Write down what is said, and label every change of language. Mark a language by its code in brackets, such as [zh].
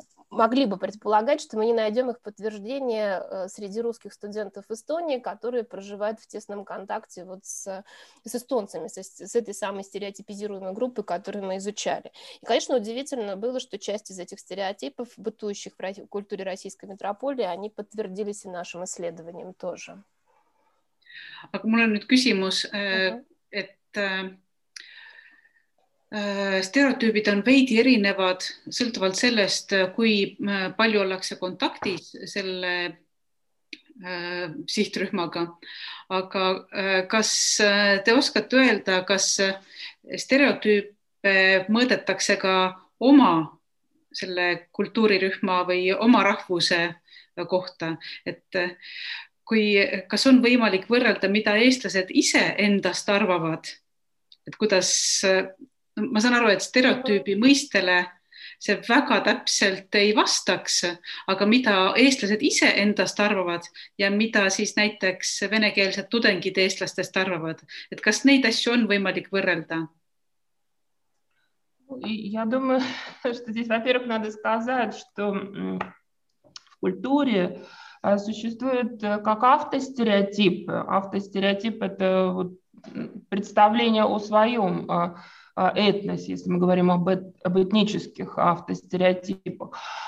[ru] могли бы предполагать, что мы не найдем их подтверждения среди русских студентов Эстонии, которые проживают в тесном контакте вот с эстонцами, с этой самой стереотипизируемой группой, которую мы изучали. И, конечно, удивительно было, что часть из этих стереотипов, бытующих в культуре российской метрополии, они подтвердились и нашим исследованием тоже. [et] Aga mul on nüüd küsimus, et stereotüübid on veidi erinevad, sõltuvalt sellest, kui palju ollakse kontaktis selle sihtrühmaga. Aga kas te oskate öelda, kas stereotüüpe mõõdetakse ka oma selle kultuurirühma või oma rahvuse kohta? Et kui, kas on võimalik võrrelda, mida eestlased ise endast arvavad? Et kuidas, ma saan aru, et stereotüübi mõistele see väga täpselt ei vastaks, aga mida eestlased ise endast arvavad ja mida siis näiteks venekeelsed tudengid eestlastest arvavad? Et kas neid asju on võimalik võrrelda? [ru] Я думаю, что здесь, во-первых, надо сказать, что в культуре существуют как автостереотипы. Автостереотип – это вот представление о своем этносе, если мы говорим об этнических автостереотипах.